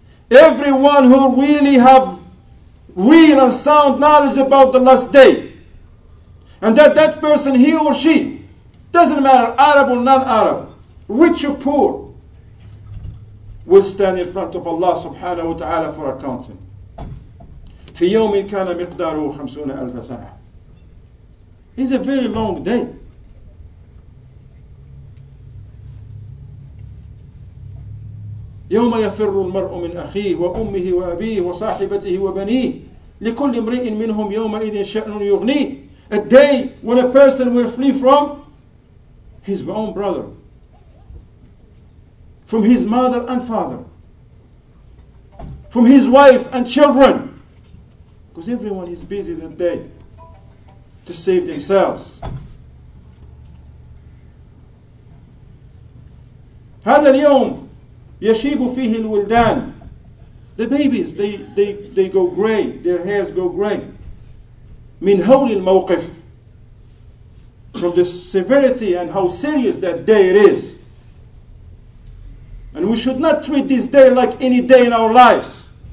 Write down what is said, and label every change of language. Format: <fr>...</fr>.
<en>Everyone who really have real and sound knowledge about the last day, and that person, he or she, doesn't matter, Arab or non-Arab, rich or poor, will stand in front of Allah subhanahu wa ta'ala for accounting.</en> <ar>في يوم كان مقداره خمسون ألف سنة.</ar> <en>It's a very long day.</en> <ar>يوم يفر المرء من أخيه وأمه وأبيه وصاحبته وبنيه لكل امرئ منهم يومئذ شأن يغنيه.</ar> <en>A day when a person will flee from his own brother, from his mother and father, from his wife and children, because everyone is busy that day to save themselves.</en> <ar>هذا اليوم يشيب فيه الولدان.</ar> <en>The babies, they go gray, their hairs go gray.</en> <ar>من هول الموقف.</ar> <en>From the severity and how serious that day it is. And we should not treat this day like any day in our lives.</en>